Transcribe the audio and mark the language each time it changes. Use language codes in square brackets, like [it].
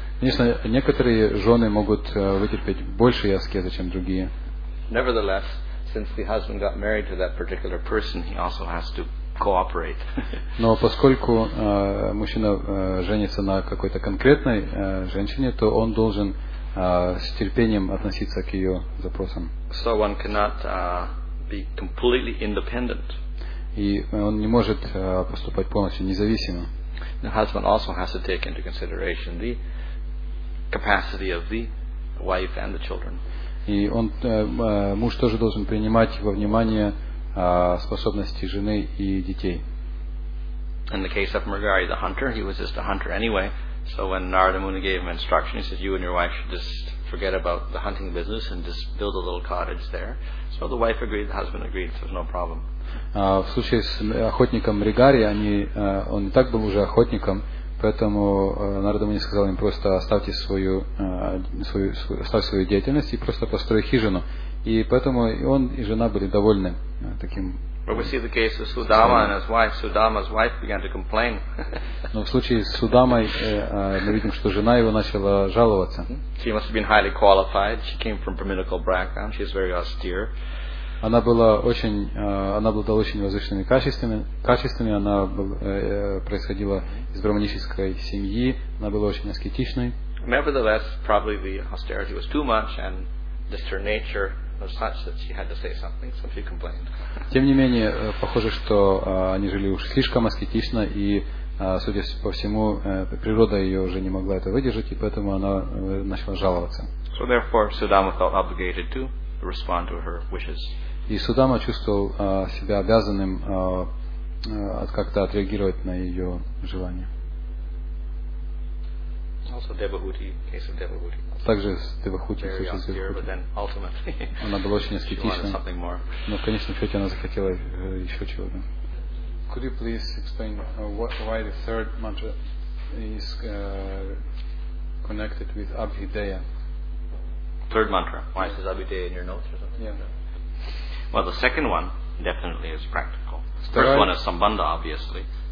[ru] Конечно, некоторые жены могут вытерпеть больше аскезы, чем другие. [en] Nevertheless, since the husband got married to that particular person, he also has to cooperate. [ru] Но поскольку мужчина женится на какой-то конкретной женщине, то он должен с терпением относиться к ее запросам. [en] So one cannot be completely independent. [ru] И он не может поступать полностью независимо. [en] The husband also has to take into consideration the capacity of the wife and the children. [ru] И он, муж тоже должен принимать во внимание способности жены и детей. [en] In the case of Murgari, the hunter, he was just a hunter anyway. So when Narada Muni gave him instruction, he said, "You and your wife should just forget about the hunting business and just build a little cottage there." So the wife agreed, the husband agreed, so there's no problem. [ru] В случае с охотником Мригари, он и так был уже охотником. Поэтому Нарада Муни сказал им просто оставьте свою деятельность и просто построй хижину. И поэтому и он, и жена были довольны таким. [en] But we see the case of Sudama and his wife. Sudama's wife began to complain. [ru] Но в случае с Судамой мы видим, что жена его начала жаловаться. [en] She must have been highly qualified. She came from Brahminical background. She's very austere. [ru] Она обладала очень возвышенными качествами, она происходила из брахманической семьи, она была очень аскетичной. [en] Nevertheless, probably the austerity was too much and just her nature was such that she had to say something, so she complained. [ru] Тем не менее, похоже, что они жили уж слишком аскетично, и судя по всему, природа ее уже не могла это выдержать, и поэтому она начала жаловаться. [en] So therefore, Sudama felt obligated to respond to her wishes. [ru] И Судама чувствовал себя обязанным как-то отреагировать на ее желание. [en] Also Devahuti, case of Devahuti. [ru] Также с Девахути, [en] very austere, [ru] Девахути. But then ultimately, она была очень аскетична, но в конечном счете она захотела еще чего-то. [en] Could you please explain why the third mantra is connected with Abhideya? Third mantra. Why is this Abhideya in your notes or something? Yeah. Well, the second one definitely is practical. First one is sambandha, obviously.